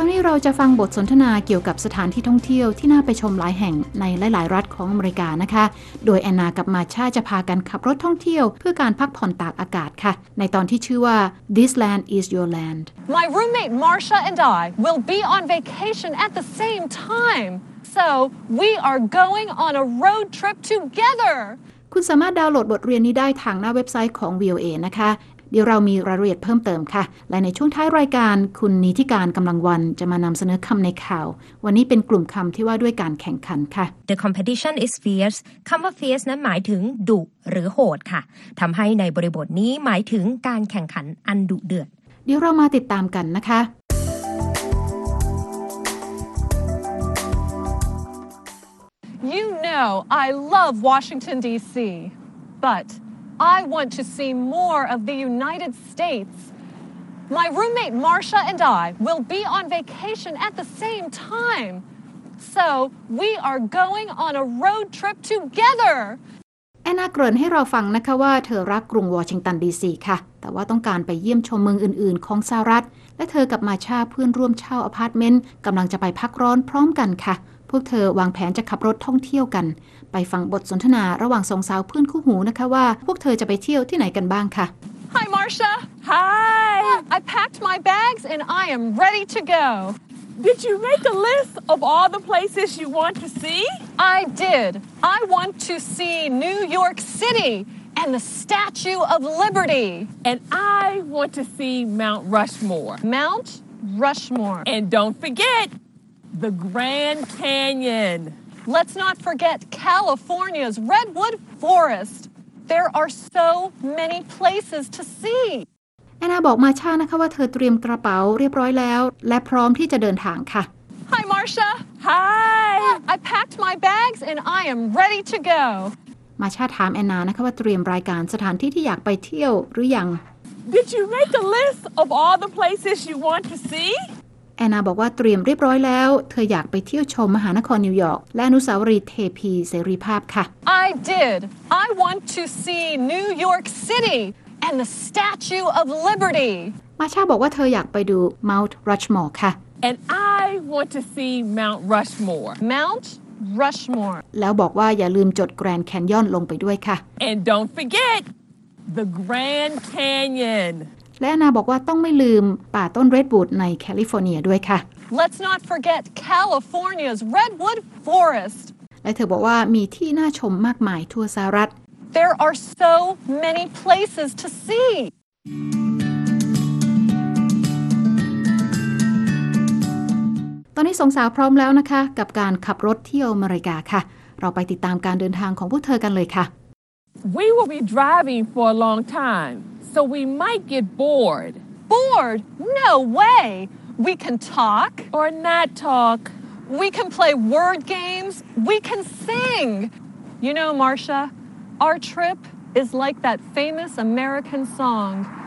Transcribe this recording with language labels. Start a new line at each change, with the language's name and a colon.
Thai: เราจะฟังบทสนทนาเกี่ยวกับสถานที่ท่องเที่ยวที่น่าไปชมหลายแห่งในหลายๆรัฐของอเมริกานะคะโดยแอนนากับมาช่าจะพากันขับรถท่องเที่ยวเพื่อการพักผ่อนตากอากาศค่ะในตอนที่ชื่อว่า
English: This land is your land My roommate Marcia and I will be on vacation at the same time so we are going on a road trip together
Thai: คุณสามารถดาวน์โหลดบทเรียนนี้ได้ทางหน้าเว็บไซต์ของ VOA นะคะเดี๋ยวเรามีรายละเอียดเพิ่มเติมค่ะและในช่วงท้ายรายการคุณนิธิการกำลังวันจะมานำเสนอคำในข่าววันนี้เป็นกลุ่มคำที่ว่าด้วยการแข่งขันค่ะ
English: The competition is fierce
Thai: คำว่า fierce นั้นหมายถึงดุหรือโหดค่ะทำให้ในบริบทนี้หมายถึงการแข่งขันอันดุเดือด เดี๋ยวเรามาติดตามกันนะคะ
English: You know I love Washington D.C. butI want to see more of the United States. My roommate Marcia and I will be on vacation at the same time. So we are going on a road trip together.
Thai: แอนนาเกริ่นให้เราฟังนะคะว่าเธอรักกรุงวอชิงตันดีซีค่ะแต่ว่าต้องการไปเยี่ยมชมเมืองอื่นๆของสหรัฐและเธอกับมาช่าเพื่อนร่วมเช่าอพาร์ตเมนต์กำลังจะไปพักร้อนพร้อมกันค่ะพวกเธอวางแผนจะขับรถท่องเที่ยวกันไปฟังบทสนทนาระหว่างสองสาวเพื่อนคู่หูนะคะว่าพวกเธอจะไปเที่ยวที่ไหนกันบ้างค่ะ
English: Hi Marcia Hi I packed my bags and I am ready to go Did you make a list of all the places you want to see I did I want to see New York City and the Statue of Liberty and I want to see Mount Rushmore Mount Rushmore and don't forgetThe Grand Canyon. Let's not forget California's Redwood Forest. There are so many places to see.
Thai: แอนนาบอกมาช่านะคะว่าเธอเตรียมกระเป๋าเรียบร้อยแล้วและพร้อมที่จะเดินทางค่ะ
English: Hi Marcia. Hi. I packed my bags and I am ready to go.
Thai: มาช่าถามแอนนานะคะว่าเตรียมรายการสถานที่ที่อยากไปเที่ยวหรือยัง
English: Did you make a list of all the places you want to see?
Thai: แอนนาบอกว่าเตรียมเรียบร้อยแล้วเธออยากไปเที่ยวชมมหานครนิวยอร์กและอนุสาวรีย์เทพีเสรีภาพค่ะ
English: I did. I want to see New York City and the Statue of Liberty.
Thai: มาช่าบอกว่าเธออยากไปดู Mount Rushmore ค่ะ
English: And I want to see Mount Rushmore. Mount Rushmore.
Thai: แล้วบอกว่าอย่าลืมจด Grand Canyon ลงไปด้วยค่ะ
English: And don't forget the Grand Canyon.
Thai: และแอนนาบอกว่าต้องไม่ลืมป่าต้นเรดวูดในแคลิฟอร์เนียด้วยค่ะ
English: Let's not forget California's Redwood Forest
Thai: และเธอบอกว่ามีที่น่าชมมากมายทั่วสหรัฐ
English: There are so many places to see
Thai: ตอนนี้สองสาวพร้อมแล้วนะคะกับการขับรถเที่ยวอเมริกาค่ะเราไปติดตามการเดินทางของพวกเธอกันเลยค่ะ
English: We will be driving for a long timeSo we might get bored. Bored? No way. We can talk. Or not talk. We can play word games. We can sing. You know, Marcia, our trip is like that famous American song.